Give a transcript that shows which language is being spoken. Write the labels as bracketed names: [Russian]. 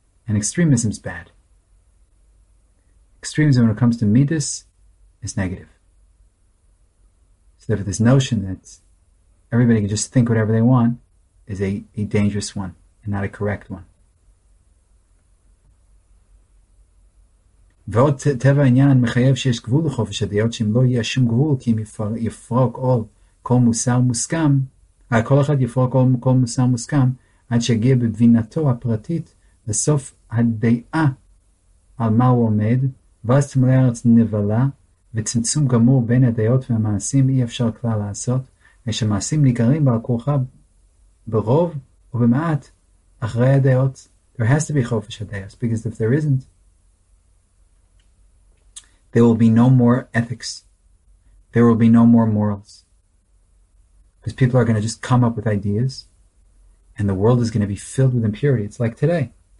[English] And extremism is bad. Extremism, when it comes to midas, is negative. So therefore, this notion that everybody can just think whatever they want is a dangerous one and not a correct one. [Hebrew] ועוד טבע העניין מחייב שיש גבול לחופש הדעות, שאם לא יהיה שום גבול, כי אם יפרוק עול כל מוסר מוסכם, כל אחד יפרוק עול כל מוסר מוסכם, עד שיגיע בבינתו הפרטית לסוף הדעה על מה הוא עומד, ואז תמלא הארץ נבלה, וצמצום גמור בין הדעות והמעשים אי אפשר כלל לעשות, ושמעשים ניכרים בעל כורחה ברוב או במעט אחרי הדעות. [English] There has to be חופש הדעות, because if there isn't, there will be no more ethics. There will be no more morals. Because people are going to just come up with ideas and the world is going to be filled with impurity. It's like today.